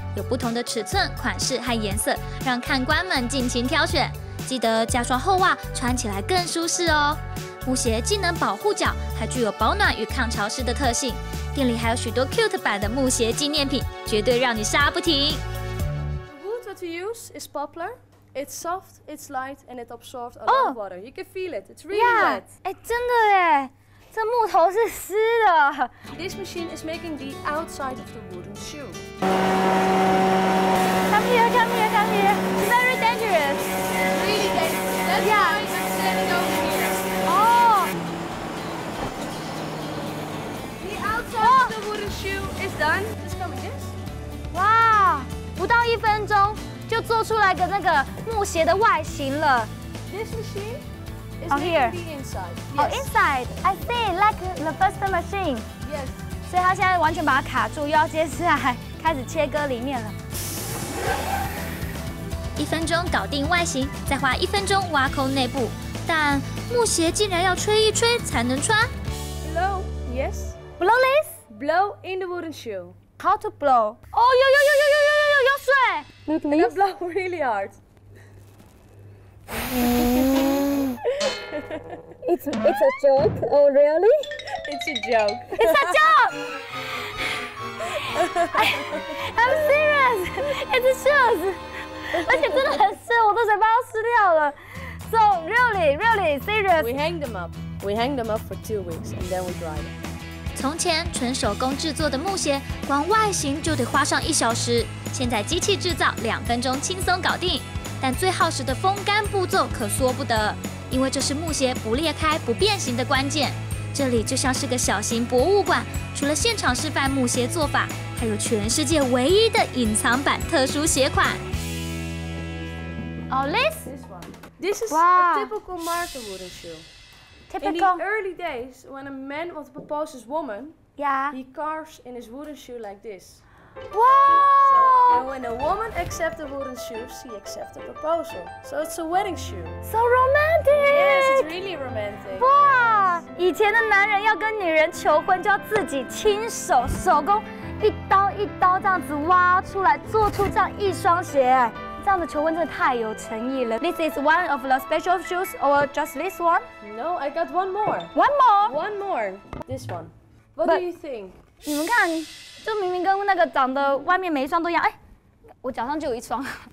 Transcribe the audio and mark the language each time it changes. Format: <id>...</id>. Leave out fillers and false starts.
<zh>有不同的尺寸、款式和颜色，让看官们尽情挑选。记得加双厚袜，穿起来更舒适哦。木鞋既能保护脚，还具有保暖与抗潮湿的特性。店里还有许多 cute 版的木鞋纪念品，绝对让你杀不停。</zh> <en>The wood that we use is poplar. It's soft, it's light, and it absorbs a lot of water. You can feel it. It's really wet.</en> <zh>哎，真的哎。这木头是湿的。</zh> <en>This machine is making the outside of the wooden shoe. Come here, come here, come here. It's very dangerous. Really dangerous. That's why I'm standing over here. The outside of the wooden shoe is done. Let's go with this. Wow,</en> <zh>不到一分钟就做出来个那个木鞋的外形了。</zh> <en>This machine. Here. The inside. Yes. Inside. I see, like the first machine. Yes.</en> <zh>所以他现在完全把它卡住，又要接下来开始切割里面了。一分钟搞定外形，再花一分钟挖空内部。但木鞋竟然要吹一吹才能穿。</zh> <en>Blow. Yes. Blow this. Blow in the wooden shoe. How to blow? Oh, yo, yo, yo, yo, yo, yo, yo, yo, yo, sweat. Look, please. Blow really hard. It's a joke. Oh, really? It's a joke. It's a joke. I'm serious. It's a shoes.</en> <zh>而且真的很湿，我的嘴巴要湿掉了。</zh> <en>So really, really serious. We hang them up. We hang them up for 2 weeks and then we dry them.</en> <zh>从前纯手工制作的木鞋，光外形就得花上一小时。现在机器制造，2分钟轻松搞定。但最耗时的风干步骤可说不得。因为这是木鞋不裂开不变形的关键，这里就像是个小型博物馆，除了现场示范木鞋做法，还有全世界唯一的隐藏版特殊鞋款。</zh> <en>Oh, this? This one. This is a typical marker wooden shoe. Typical. In the early days, when a man wants to propose his woman, yeah, he carves in his wooden shoe like this. Wow. And when a woman accepts a wooden shoe, she accepts a proposal. So it's a wedding shoe. So romantic. Yes, it's really romantic. Wow.</en> <zh>以前的男人要跟女人求婚，就要自己亲手手工，一刀一刀这样子挖出来，做出这样一双鞋。这样的求婚真的太有诚意了。</zh> <en>This is one of the special shoes, or just this one? No, I got one more. One more. One more. This one. What do you think?</en> <zh>你们看。就明明跟那个长得外面每一双都一样，哎，我脚上就有一双。</zh>